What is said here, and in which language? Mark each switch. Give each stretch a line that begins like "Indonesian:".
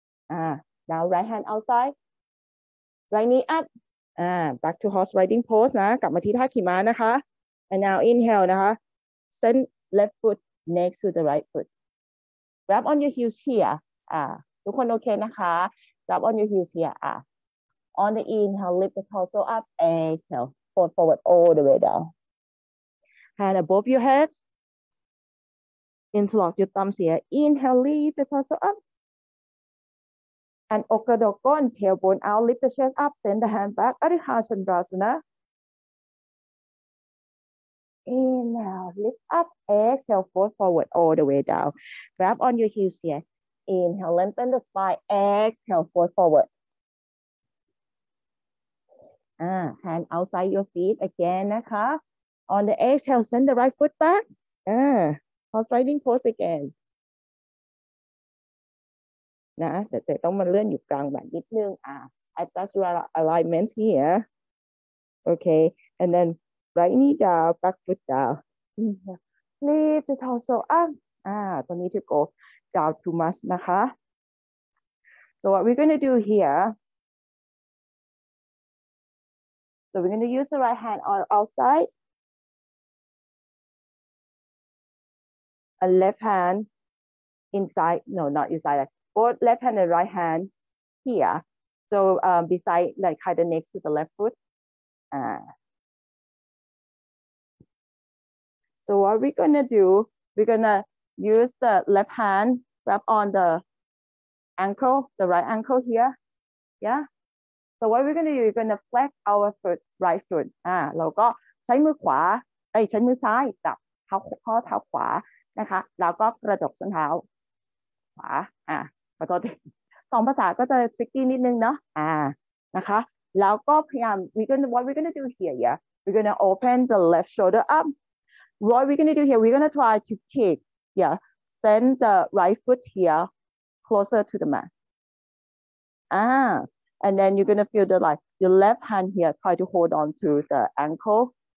English: Now right hand outside. Right knee up. Back to horse riding pose.
Thai: นะกลับมาที่ท่าขี่ม้านะคะ
English: And now inhale. นะคะ Send left foot next to the right foot. Grab on your heels here.
Thai: ทุกคนโอเคนะคะ
English: Grab on your heels here. On the inhale, lift the torso up, exhale, fold forward all the way down. Hand above your head, interlock your thumbs here. Inhale, lift the torso up. And okadokon, tailbone out, lift the chest up, send the hand back, Arihasandrasana. Inhale, lift up, exhale, fold forward all the way down. Grab on your heels here. Inhale, lengthen the spine, exhale, fold forward. Hand outside your feet again, นะคะ On the exhale, send the right foot back. Horse riding pose again.
Thai: นะแต่จะต้องมาเลื่อนอยู่กลางแบบนิดนึง
English: Adjust your alignment here. Okay, and then right knee down, back foot down. Lift the torso up.
Thai: ตอนนี้
English: to go down too much, นะคะ So what we're gonna do here. So we're going to use the right hand on outside. And left hand inside. No, not inside. Both left hand and right hand here. So beside, like kind of next to the left foot. So what we're going to do, we're going to use the left hand, grab on the ankle, the right ankle here. Yeah. So what we're gonna do, we're gonna flex our foot, right foot.
Thai: เราก็ใช้มือขวาใช้มือซ้ายจับเท้าข้อเท้าขวานะคะแล้วก็กระดกส้นเท้าขวาขอโทษทีสองภาษาก็จะ tricky นิดนึงเนาะนะคะแล้วก็พยายาม
English: what we're gonna do here, yeah? We're gonna open the left shoulder up. What we're gonna do here, we're gonna try to kick, yeah? Send the right foot here closer to the mat. And then you're gonna feel the like your left hand here try to hold on to the ankle.